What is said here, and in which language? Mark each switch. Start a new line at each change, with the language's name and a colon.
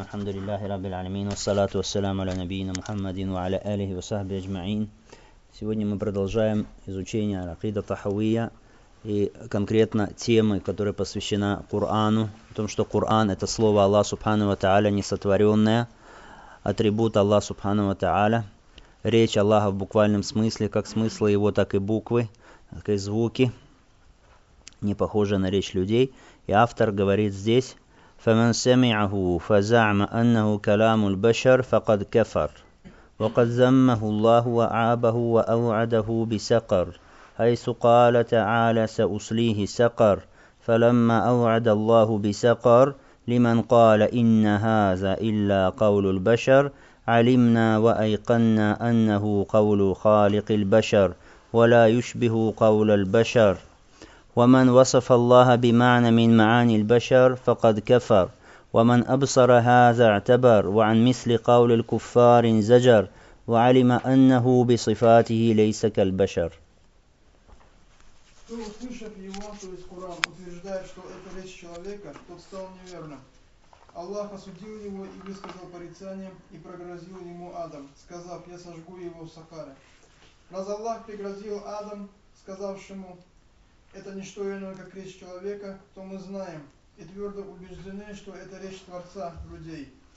Arabic: الحمد لله رب العالمين، والصلاة والسلام على نبينا محمد وعلى آله وصحبه أجمعين.
Russian: Сегодня мы продолжаем изучение Акида Тахавия и конкретно темы, которая посвящена Корану, о том, что Коран – это слово Аллаха Субхану ва Тааля, несотворенное, атрибут Аллаха Субхану ва Тааля, речь Аллаха в буквальном смысле, как смысла его, так и буквы, так и звуки, не похожие на речь людей. И автор говорит здесь:
Arabic: فمن سمعه فزعم أنه كلام البشر فقد كفر وقد ذمه الله وعابه وأوعده بسقر حيث قال تعالى سأصليه سقر فلما أوعد الله بسقر لمن قال إن هذا إلا قول البشر علمنا وأيقنا أنه قول خالق البشر ولا يشبه قول البشر ومن وصف الله بمعنى من معاني البشر فقد كفر ومن أبصر هذا اعتبر وعن مثل قول الكفار زجر وعلم أنه بصفاته ليس كالبشر.
Russian: Кто услышав его, то есть Коран, утверждает, что это речь человека, тот стал неверно. Аллах осудил его и высказал порицание и прогрозил ему адом, сказав: я сожгу его в Сахаре. Раз Аллах пригрозил адом, сказавшему: это не что иное, как речь человека, то мы знаем и твердо убеждены, что это речь Творца людей.